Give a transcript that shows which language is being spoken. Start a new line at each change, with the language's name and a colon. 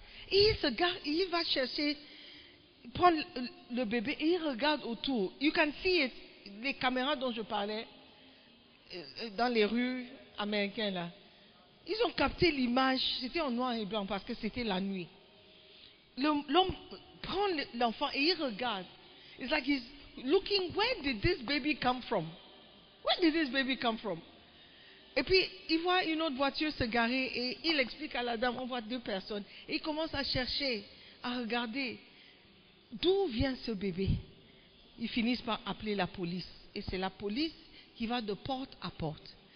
French: Et il se garde, il va chercher, il prend le bébé et il regarde autour.
English: You can see it,
French: les caméras dont je parlais dans les rues américaines là. Ils ont capté l'image, c'était en noir et blanc parce que c'était la nuit. L'homme prend l'enfant et il regarde.
English: It's like he's looking, where did this baby come from? Where did this baby come from?
French: Et puis, il voit une autre voiture se garer et il explique à la dame, on voit deux personnes. Et il commence à chercher, à regarder d'où vient ce bébé. Ils finissent par appeler la police. Et c'est la police qui va de porte à porte.